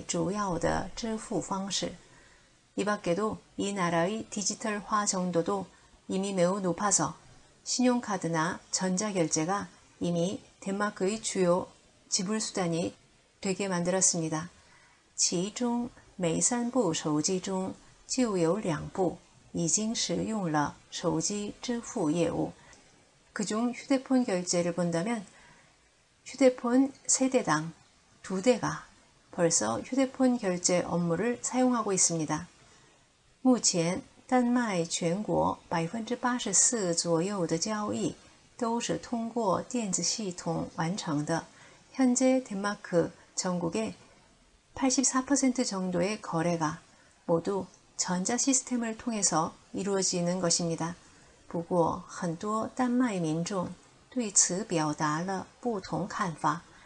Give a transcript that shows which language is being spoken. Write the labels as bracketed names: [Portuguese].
[Chinese] 此外，该国的数字化程度也很高，使得信用卡和电子支付已经成为丹麦主要的支付方式。 [Korean] 이 밖에도 이 나라의 디지털화 정도도 이미 매우 높아서 신용카드나 전자결제가 이미 덴마크의 주요 지불수단이 되게 만들었습니다. [Chinese] 其中每三部手机中就有两部已经使用了手机支付业务. [Korean] 그중 휴대폰 결제를 본다면 휴대폰 3대당 2대가 벌써 휴대폰 결제 업무를 사용하고 있습니다. 目前 [Chinese] 丹麦全国 84% 左右的交易都是通过电子系统完成的。 [Korean] 현재덴마크전국의 84% 정도의거래가모두전자시스템을통해서이루어지는것입니다。 [Chinese] 不过很多丹麦民众对此表达了不同看法。